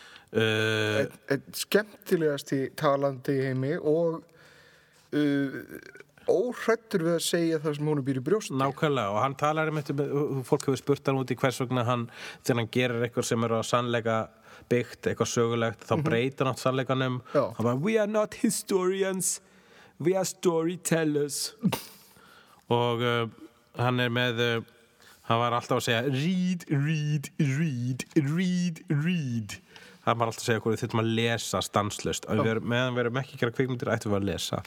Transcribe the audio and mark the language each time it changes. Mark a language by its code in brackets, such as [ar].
[is] Skemmtilegast í talandi heimi og óhrættur við að segja það sem hún býr í brjósti. Nákvæmlega, og hann talar um eitthvað, fólk hefur spurt hann út í hvers vegna hann, þegar hann gerir eitthvað sem eru að sannleika byggt, eitthvað sögulegt, þá breytir hann sannleikanum. Já. Hann bara, [en] we are not historians, we are storytellers. [is] Og hann er með, hann var alltaf að segja, [en] read, read, read, read, read. [is] Það var alltaf að segja hvernig þurftum að lesa stanslaust. Meðan við erum ekki að gera kvikmyndir, ættum við að lesa.